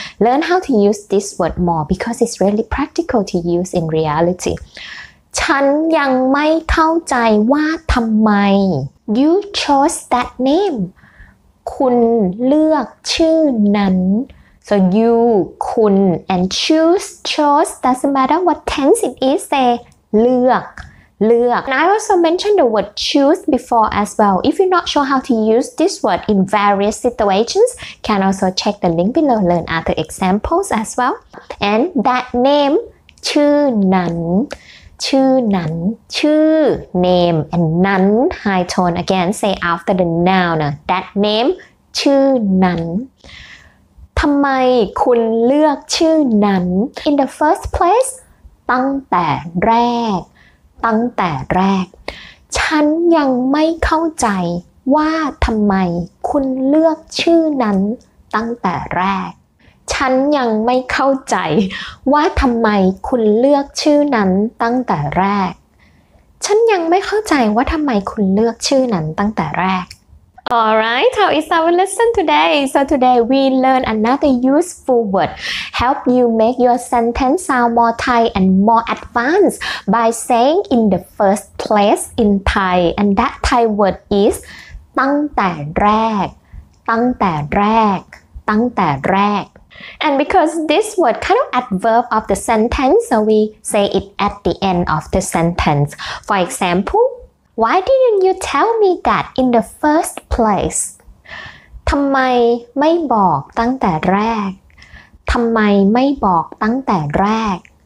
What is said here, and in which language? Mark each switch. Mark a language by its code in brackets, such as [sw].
[en] Learn how to use this word more because it's really practical to use in reality. [th] ฉันยังไม่เข้าใจว่าทำไม [en] You chose that name. [th] คุณเลือกชื่อนั้น [en] So you, คุณ and choose, chose, doesn't matter what tense it is, say, เลือก. And I also mentioned the word choose before as well. If you're not sure how to use this word in various situations, can also check the link below, learn other examples as well. And that name, [th] ชื่อนั้น, ชื่อนั้น, [en] ชื่อ name, and นั้น, high tone, again, say after the noun, that name, ชื่อนั้น [th] ทำไมคุณเลือกชื่อนั้น [en] In the first place [th] ตั้งแต่แรกตั้งแต่แรกฉันยังไม่เข้าใจว่าทำไมคุณเลือกชื่อนั้นตั้งแต่แรกฉันยังไม่เข้าใจ ว่าทำไมคุณเลือกชื่อนั้นตั้งแต่แรกฉันยังไม่เข้าใจว่าทำไมคุณเลือกชื่อนั้นตั้งแต่แรก [en] Alright, how is our lesson today? So today we learn another useful word. Help you make your sentence sound more Thai and more advanced by saying in the first place in Thai. And that Thai word is [th] ตั้งแต่แรกตั้งแต่แรกตั้งแต่แรก [en] And because this word kind of adverb of the sentence, so we say it at the end of the sentence. For example,Why didn't you tell me that in the first place? [th] ทำไมไม่บอกตั้งแต่แรก? ทำไมไม่บอกตั้งแต่แรก?